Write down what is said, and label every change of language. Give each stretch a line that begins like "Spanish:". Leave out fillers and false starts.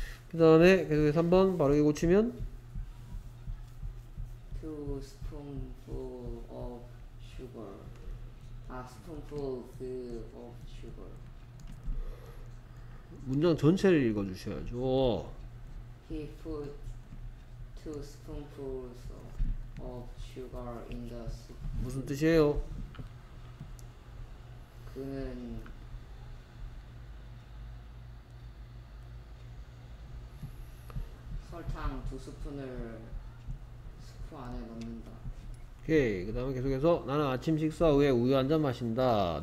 Korean: 그 다음에 계속해서 3번 바르게 고치면
English: Two spoonful of sugar.
Korean: 스푼풀 그
English: of sugar.
Korean: 문장 전체를 읽어주셔야죠.
English: He put two spoonfuls of sugar in the soup.
Korean: 무슨 뜻이에요? 그는 설탕 두 스푼을 스프 안에 넣는다. 오케이. 그 다음에 계속해서 나는 아침 식사 후에 우유 한잔 마신다.